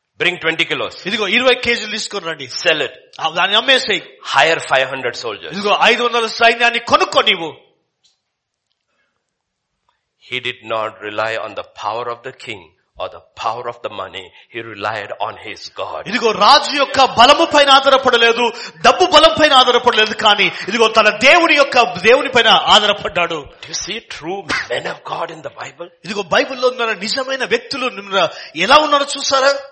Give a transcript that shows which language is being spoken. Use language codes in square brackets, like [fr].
[en] Bring 20 kilos. [te] ఇదిగో 20 kg తీసుకొని రండి. [en] Sell it. [te] దాన్ని అమ్మేసేయి. [en] Hire 500 soldiers. [te] ఇదిగో 500 సైన్యాన్ని కొనుక్కో నీవు. [en] He did not rely on the power of the king or the power of the money. He relied on his God. [te] ఇదిగో రాజు యొక్క బలము పైన ఆధారపడలేదు, డబ్బు బలం పైన ఆధారపడలేదు, కానీ ఇదిగో తన దేవుని యొక్క దేవుని పైన ఆధారపడ్డాడు. [en] Do you see true men of God in the Bible? [te] ఇదిగో బైబిల్లో ఉన్న నిజమైన వ్యక్తులు ఎలా ఉన్నారో చూసారా?